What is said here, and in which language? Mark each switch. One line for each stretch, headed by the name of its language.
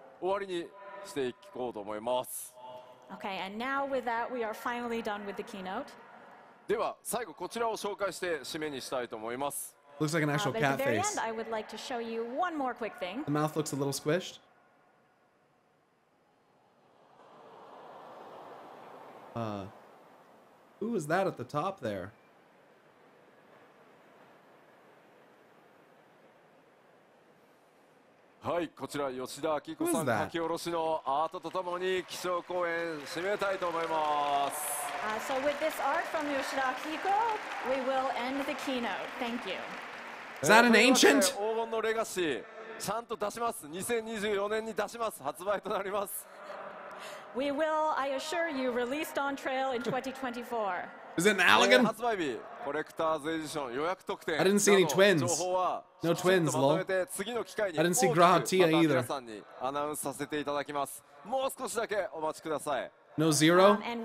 Japanese: 終わりにしていこうと思います。
English: Okay, and now with that, we are finally done with the keynote.
Japanese: では最後こちらを紹介して締めにしたいと思います。
English: Looks like an actual cat face. At the very end, I would like to show you one more quick thing. The mouth looks a little squished. Who is that at the top there?
Japanese: はい、こちら吉田明子さん書き下ろしのアートとともに基調講演締めたいと思います。
English: So with this art from 吉田明子, we will end the keynote. Thank you. Is that an ancient?
Japanese: 黄金のレガシー、ちゃんと出します。 2024年に出します。発売となります。
English: We will, I assure you, released on trail in 2024. Is it an Allegan? I didn't see any twins. No twins, lol. I didn't see Graha Tia either. No Zero? And